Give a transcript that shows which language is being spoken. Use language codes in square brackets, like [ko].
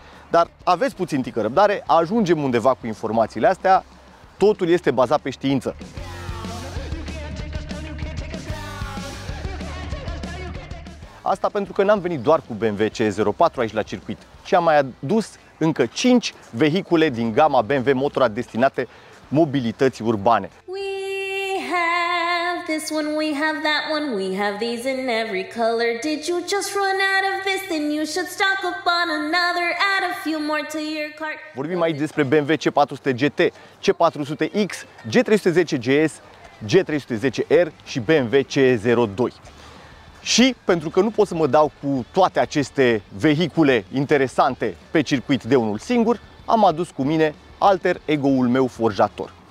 [ro] Dar aveți puțin tică răbdare, ajungem undeva cu informațiile astea, totul este bazat pe știință. Asta pentru că n-am venit doar cu BMW C04 aici la circuit, ci am mai adus încă 5 vehicule din gama BMW Motorrad destinate mobilității urbane. [en] We have this one, we have that one, we have these in every color. Did you just run out of this? Then you should stock up on another, add a few more to your cart. [ro] Vorbim aici despre BMW C400 GT, C400X, G310 GS, G310R și BMW CE02. Și pentru că nu pot să mă dau cu toate aceste vehicule interesante pe circuit de unul singur, am adus cu mine alter ego-ul meu forjator.